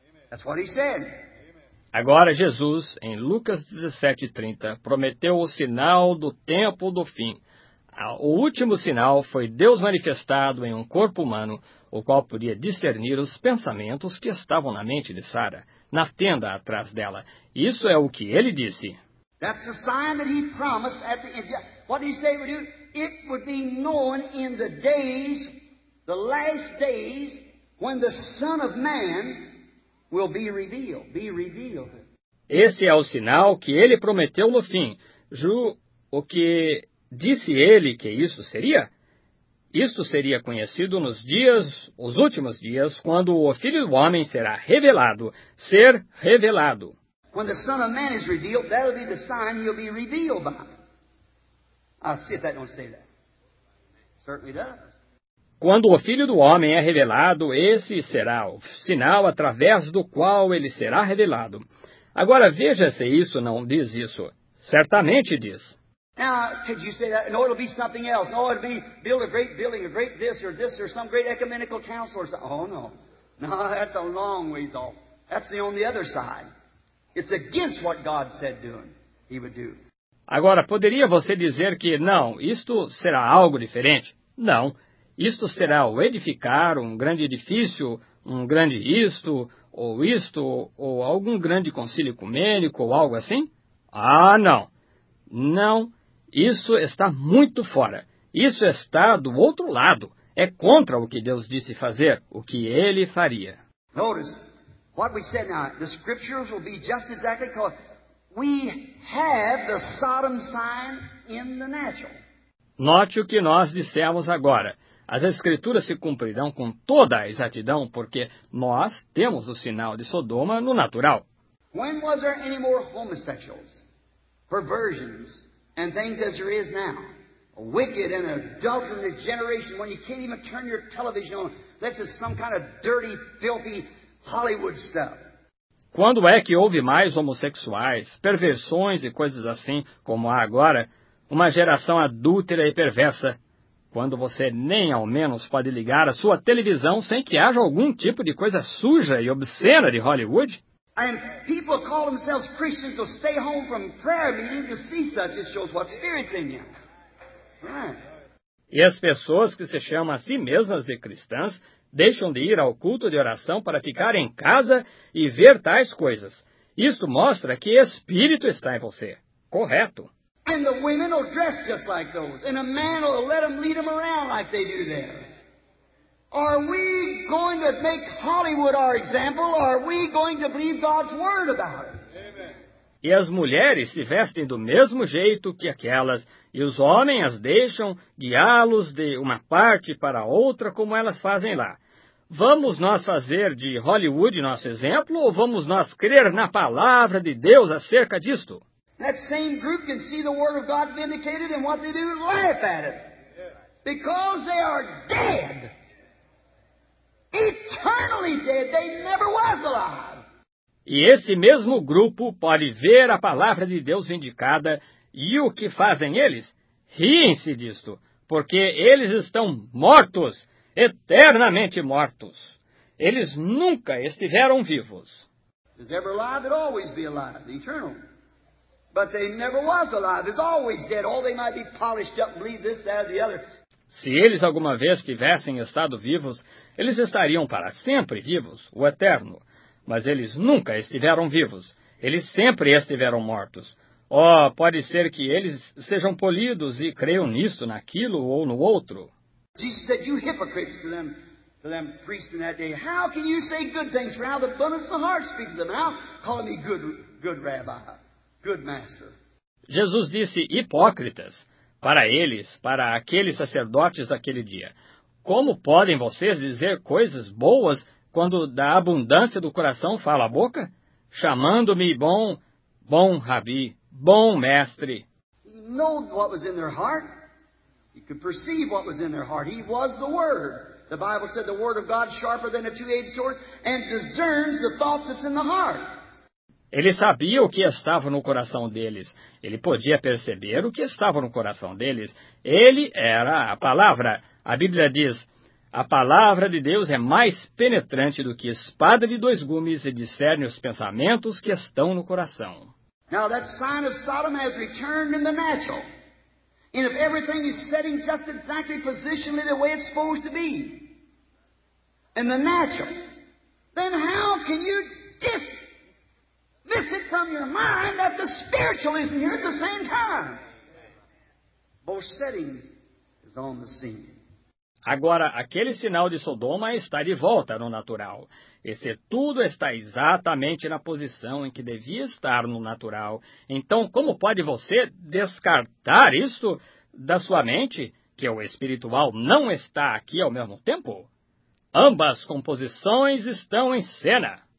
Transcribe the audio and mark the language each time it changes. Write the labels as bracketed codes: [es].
[en] That's what he said. [pt] Agora Jesus, em Lucas 17:30, prometeu o sinal do tempo do fim. O último sinal foi Deus manifestado em um corpo humano, o qual podia discernir os pensamentos que estavam na mente de Sara, na tenda atrás dela. Isso é o que ele disse. [en] That's the sign that he promised at the end. What did he say it would do? It would be known in the days, the last days, when the Son of Man will be revealed. [pt] Esse é o sinal que ele prometeu no fim. Ju, o que disse ele que isso seria? Isso seria conhecido nos dias, os últimos dias, quando o Filho do Homem será revelado, ser revelado. [en] When the Son of Man is revealed, that will be the sign he'll be revealed by. I see if that don't say that. It certainly does. [pt] Quando o Filho do Homem é revelado, esse será o sinal através do qual ele será revelado. Agora veja se isso não diz isso. Certamente diz. [en] Now, could you say that? No, it'll be something else. No, it'll be build a great building, a great this, or some great ecumenical council or something. Oh, no. No, that's a long ways off. That's on the other side. It's against what God said doing, he would do. [pt] Agora, poderia você dizer que, não, isto será algo diferente? Não. Isto será o edificar um grande edifício, um grande isto, ou algum grande concílio ecumênico, ou algo assim? Ah, não. Não, isso está muito fora. Isso está do outro lado. É contra o que Deus disse fazer, o que ele faria. [en] Notice, what we said now, the scriptures will be just exactly called. We have the Sodom sign in the natural. [pt] Note o que nós dissemos agora. As Escrituras se cumprirão com toda a exatidão, porque nós temos o sinal de Sodoma no natural. [en] When was there any more homosexuals, perversions, and things as there is now? A wicked and adulterous generation when you can't even turn your television on. This is some kind of dirty, filthy Hollywood stuff. [pt] Quando é que houve mais homossexuais, perversões e coisas assim como há agora? Uma geração adúltera e perversa. Quando você nem ao menos pode ligar a sua televisão sem que haja algum tipo de coisa suja e obscena de Hollywood? [en] And people call themselves Christians to stay home from prayer meeting to see such. It shows what spirit's in you. [pt] E as pessoas que se chamam a si mesmas de cristãs deixam de ir ao culto de oração para ficar em casa e ver tais coisas. Isto mostra que espírito está em você. Correto. [en] And the women will dress just like those. And a man will let them lead them around like they do there. Are we going to make Hollywood our example? Or are we going to believe God's word about it? [pt] E as mulheres se vestem do mesmo jeito que aquelas, e os homens as deixam guiá-los de uma parte para outra como elas fazem lá. Vamos nós fazer de Hollywood nosso exemplo ou vamos nós crer na palavra de Deus acerca disto? [en] That same group can see the word of God vindicated and what they do, laugh at it. Because they are dead. Eternally dead. They never was alive. [pt] E esse mesmo grupo pode ver a palavra de Deus vindicada e o que fazem eles? Riem-se disto, porque eles estão mortos, eternamente mortos. Eles nunca estiveram vivos. [en] Is ever alive, it'll always be alive, eternal. But they never was alive, it's always dead. Oh, they might be polished up and believe this, that, or the other. [pt] Se eles alguma vez tivessem estado vivos, eles estariam para sempre vivos, o eterno. Mas eles nunca estiveram vivos. Eles sempre estiveram mortos. Oh, pode ser que eles sejam polidos e creiam nisso, naquilo ou no outro. Jesus disse, [en] you hypocrites, to them priests in that day. How can you say good things for out of abundance of the heart speak to them? How call me good rabbi, good master? [pt] Jesus disse, hipócritas, para eles, para aqueles sacerdotes daquele dia. Como podem vocês dizer coisas boas quando da abundância do coração fala a boca? chamando-me bom, bom Rabi, bom mestre. [en] He knew what was in their heart. He could perceive what was in their heart. He was the Word. The Bible said the Word of God is sharper than a two-edged sword and discerns the thoughts that's in the heart. [pt] Ele sabia o que estava no coração deles. Ele podia perceber o que estava no coração deles. Ele era a palavra. A Bíblia diz, a palavra de Deus é mais penetrante do que espada de dois gumes e discerne os pensamentos que estão no coração. [en] Now that sign of Sodom has returned in the natural. And if everything is setting just exactly positionally the way it's supposed to be, in the natural, then how can you miss it from your mind that the spiritual isn't here at the same time? Both settings is on the scene. [pt] Agora, aquele sinal de Sodoma está de volta no natural. E se tudo está exatamente na posição em que devia estar no natural, então como pode você descartar isto da sua mente, que o espiritual não está aqui ao mesmo tempo? Ambas composições estão em cena.